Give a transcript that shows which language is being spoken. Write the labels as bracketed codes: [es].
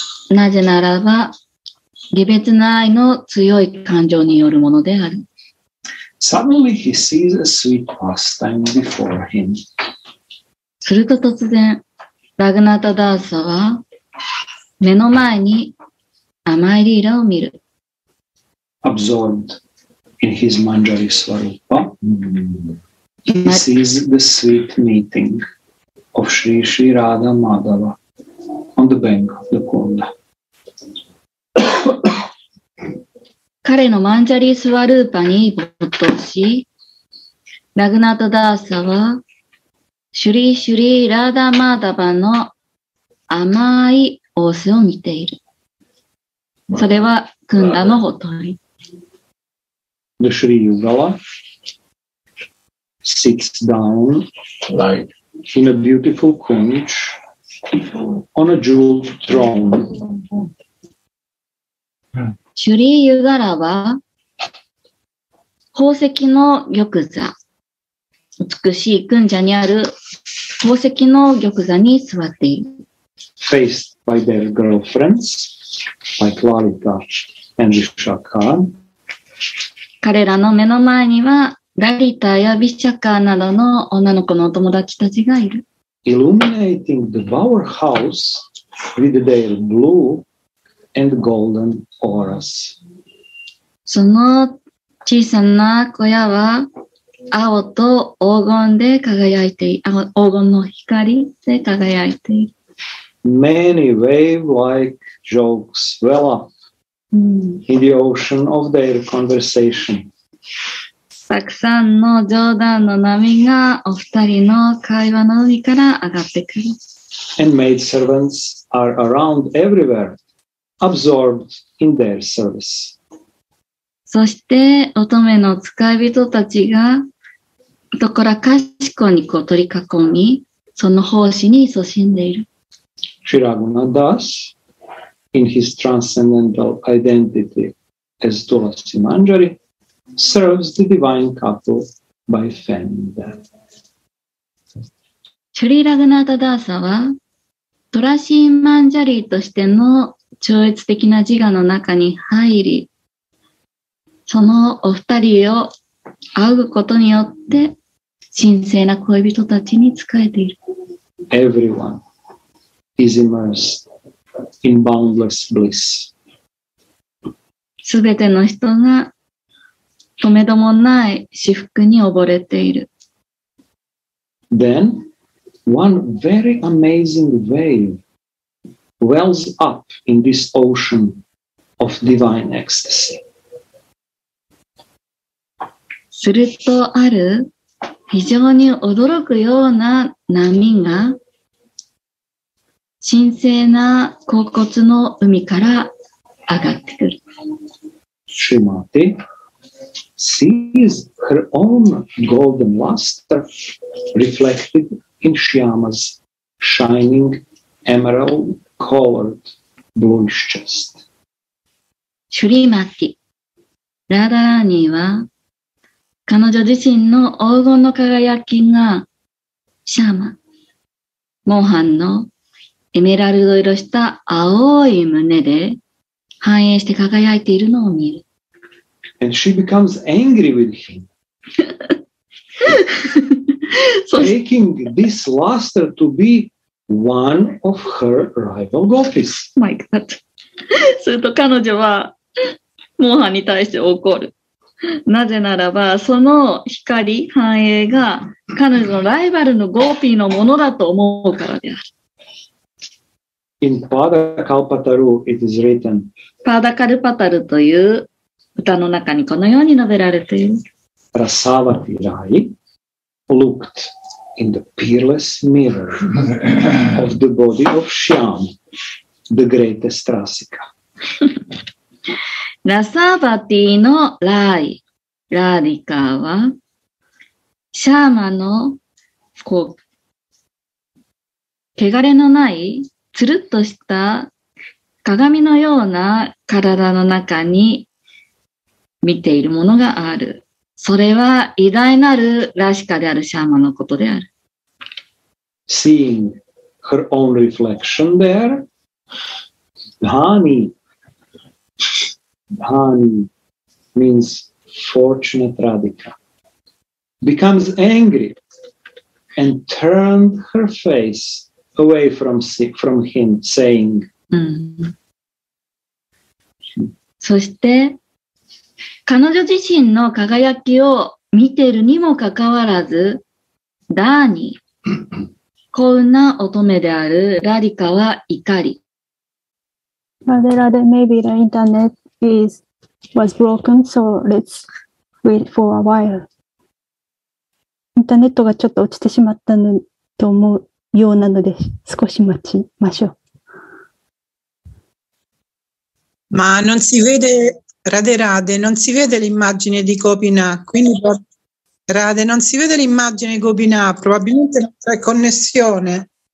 [ja] なぜならば、離別の愛の強い感情によるものである。 [en] Suddenly he sees a sweet pastime before him. [ja] すると突然、ラグナタダーサは目の前に甘いリーラを見る。 [en] Absorbed in his Manjari Swarupa, he sees the sweet meeting of Sri Sri Radha Madhava on the bank of the Kunda. [ja] 彼の Manjari Swarupa に没頭し、ラグナタダーサは、シュリシュリラダマダバの甘い仰せを見ている。それはクンダのほとり。 [en] The Sri Yugala sits down in a beautiful kunch on a jeweled throne. [ja] シュリー・ユガラは宝石の玉座、美しい訓者にある宝石の玉座に座っている。 [en] Faced by their girlfriends, by Klarika and Vishakha. [ja] 彼らの目の前にはラリタやビシャカーなどの女の子のお友達たちがいる。 [en] Illuminating the bower house with their blue and golden auras. [ja] その小さな小屋は青と黄金で輝いて、黄金の光で輝いている。 [en] Many wave-like jokes well up in the ocean of their conversation. [ja] たくさんの冗談の波がお二人の会話の海から上がってくる。 [en] And maidservants are around everywhere, absorbed in their service. [ja] そして乙女の使い人たちがところかしこにこう取り囲み、その奉仕に勤しんでいる。 [en] Shri Raghunath Das, in his transcendental identity as Tulasi Manjari, serves the divine couple by fanning them. [ja] Shri Raghunath Das は、Tulasi Manjari としての超越的な自我の中に入り、そのお二人を仰ぐことによって、神聖な恋人たちに仕えている。 [en] Everyone. Is immersed in boundless bliss. [ja] すべての人が止めどもない至福に溺れている。 [en] Then, one very amazing wave wells up in this ocean of divine ecstasy. [ja] するとある非常に驚くような波が神聖な甲骨の海から上がってくる。 [en] Shrimati sees her own golden luster reflected in Shyama's shining emerald-colored bluish chest. [ja] Shrimati, Radharani は彼女自身の黄金の輝きが Shyama, モーハンのエメラルド色した青い胸で反映して輝いているのを見る。 [en] And she becomes angry with him. Taking this luster to be one of her rival gopis. My God. [ja] すると彼女はモーハンに対して怒る。なぜならばその光、反映が彼女のライバルのゴーピーのものだと思うからである。 [en] In Pada Kalpataru, it is written. [ja] Pada Kalpataru という歌の中にこのように述べられている。 [en] Rasavati Rai looked in the peerless mirror of the body of Shyam, the greatest Rasika. [ja] Rasavati のライ、ラディカは、シャーマのこう、汚れのないつるっとした鏡のような体の中に見ているものがある。それは偉大なるラシカであるシャーマのことである。 [en] Seeing her own reflection there, Dhani, Dhani means fortunate Radhika, becomes angry and turned her face. Away from him, saying. [ja] そして彼女自身の輝きを見ているにもかかわらず、ダーニー、幸運な乙女であるラリカは怒り。 [en] Radharani, maybe the internet was broken, so let's wait for a while. [ja] インターネットがちょっと落ちてしまったのと思う。ようなので少し待ちましょう。 [it] Ma non si vede Radharani, non si vede l'immagine di Gopinath, quindi Radharani non si vede l'immagine di Gopinath, probabilmente non c'è connessione.